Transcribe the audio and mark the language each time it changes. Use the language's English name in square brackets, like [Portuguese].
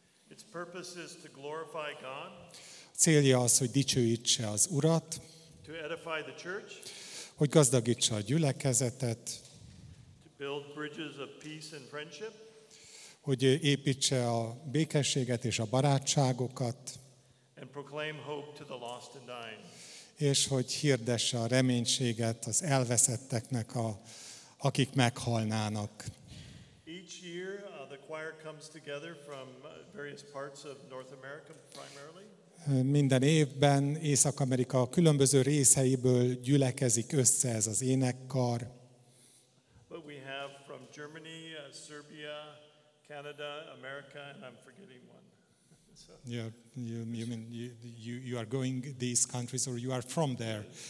[English] Its purpose is to glorify God. [Hungarian] Célja az, hogy dicsőítse az Urat. [English] To edify the church. [Hungarian] Hogy gazdagítsa a gyülekezetet. [English] To build bridges of peace and friendship. [Hungarian] Hogy építse a békességet és a barátságokat. [English] And proclaim hope to the lost and dying. [Hungarian] És hogy hirdesse a reménységet az elveszetteknek, akik meghalnának. [English] Each year, the choir comes together from various parts of North America primarily. [Hungarian] Minden évben Észak-Amerika különböző részeiből gyülekezik össze ez az énekkar. [English] But we have from Germany, Serbia, Canada, America, and I'm forgetting one. So. You mean you are going these countries, or you are from there?